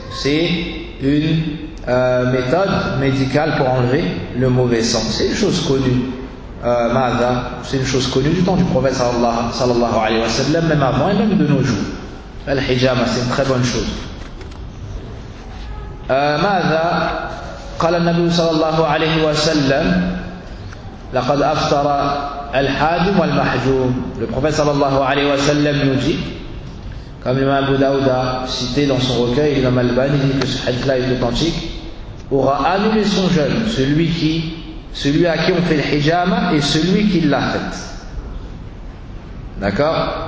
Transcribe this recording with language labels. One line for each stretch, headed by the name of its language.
French: C'est une méthode médicale pour enlever le mauvais sang. C'est une chose connue, Mada, c'est une chose connue du temps du prophète
Arabic: sallallahu alayhi wa sallam,
French: même avant et même de nos jours. Al-hijama, c'est une très bonne chose.
Arabic: ماذا قال النبي صلى الله عليه وسلم لقد أفطر الحاجم والمحجوم.
French: Le prophète
Arabic: صلى الله عليه وسلم
French: nous dit, comme l'imam Abu Daoud a cité dans son recueil, l'imam Al-Albani dit que ce hadith-là est authentique, aura annulé son jeûne celui à qui on fait le hijama et celui qui l'a fait. D'accord?